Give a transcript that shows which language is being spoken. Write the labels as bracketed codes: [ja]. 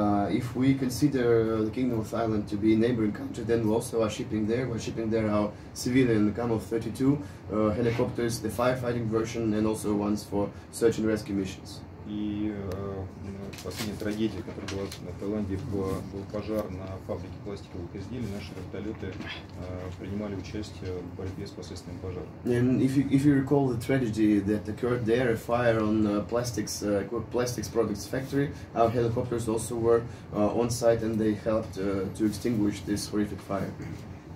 [en] If we consider the Kingdom of Thailand to be a neighboring country, then we also are shipping there. We're shipping there our civilian Ka-32 helicopters, the firefighting version, and also ones for search and rescue missions. [ru] И последняя трагедия, которая была на Таиланде, был пожар на фабрике пластиковых изделий. Наши вертолеты принимали участие в борьбе с последствиями пожара. [en] And if you recall the tragedy that occurred there, a fire on plastics products factory, our helicopters also were on site and they helped to extinguish this horrific fire.